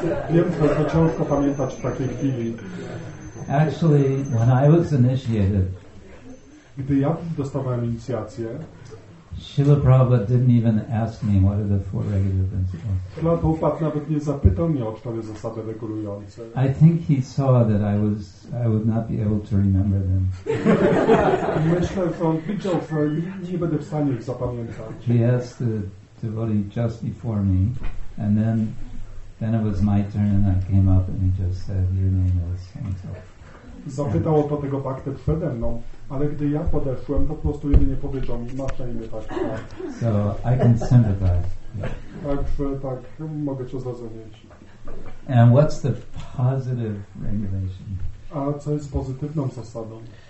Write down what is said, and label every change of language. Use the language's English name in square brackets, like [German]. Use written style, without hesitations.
[Polish] Wiem, że to ciężko pamiętać w takiej chwili. [English] Actually, when I was initiated, [Polish] gdy ja dostawałem inicjację, [English] Śrīla Prabhupāda didn't even ask me what are the four regular principles. [Polish] Śrīla Prabhupāda nawet nie zapytał mnie o cztery zasady regulujące. [English] I think he saw that I would not be able to remember them. [Polish] Myślę, że on widział, że nie będę w stanie ich zapamiętać. [English] He asked the devotee just before me, and then it was my turn, and I came up, and he just said, "Your name is Santo." [Polish] Zapytał o to tego baktę przede mną, ale gdy ja podeszłem, to po prostu jedynie powiedział mi, masz na imię tak. [English] So I can sympathize. [Polish] Także tak, mogę cię zrozumieć. [English] And what's the positive regulation? [Polish] A co jest pozytywną zasadą?